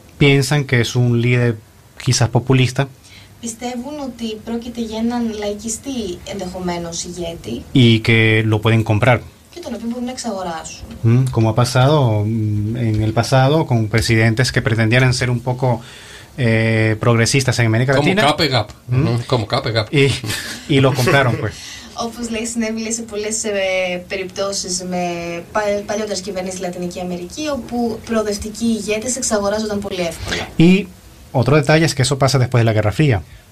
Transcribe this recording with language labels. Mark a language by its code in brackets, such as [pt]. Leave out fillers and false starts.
[es] Piensan que es un líder quizás populista. [el] Πιστεύουν ότι πρόκειται για έναν λαϊκιστή ενδεχομένως ηγέτη. [es] Y que lo pueden comprar. [el] Τον οποίο μπορούν να εξαγοράσουν. [es] Como ha pasado en el pasado con presidentes que pretendieran ser un poco progresistas en América Latina. Como Capegap. Como Capegap. Y lo compraron, pues. [el] Όπως λέει, συνέβη σε πολλές περιπτώσεις με παλιότερες κυβερνήσεις στη Λατινική Αμερική, όπου προοδευτικοί ηγέτες εξαγοράζονταν πολύ εύκολα. [es] Y otro detalle es que eso pasa después de la Guerra Fría.